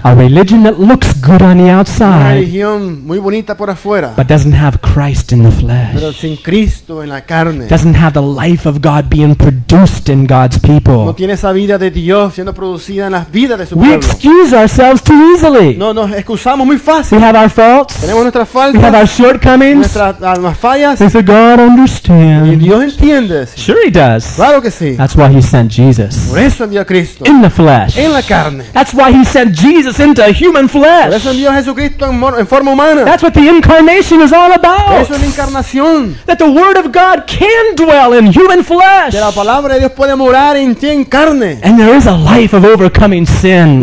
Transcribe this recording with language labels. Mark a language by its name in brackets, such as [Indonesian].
[English] A religion that looks good on the outside. [Spanish] Una religión muy bonita por afuera, [English] but doesn't have Christ in the flesh. [Spanish] Pero sin Cristo en la carne. [English] Doesn't have the life of God being produced in God's people. [Spanish] No tiene esa vida de Dios siendo producida en las vidas de su [English] we [Spanish] pueblo. [English] Excuse ourselves too easily. [Spanish] No, nos excusamos muy fácil. [English] We have our faults. [Spanish] Tenemos nuestras faltas. [English] We have our shortcomings. [Spanish] Nuestras fallas. [English] If God understands. [Spanish] Y Dios entiende. [English] Sure he does. [Spanish] Claro que sí. [English] That's why he sent Jesus. [Spanish] Por eso envió a Cristo. [English] In the flesh. [Spanish] En la carne. [English] That's why he sent Jesus into human flesh. [Spanish] Por eso envió a Jesucristo en forma humana. [English] That's what the incarnation is all about. [Spanish] Eso es la encarnación. [English] That the word of God can dwell in human flesh. [Spanish] Que la palabra de Dios puede morar en ti en carne. [English] And there is a life of overcoming sin.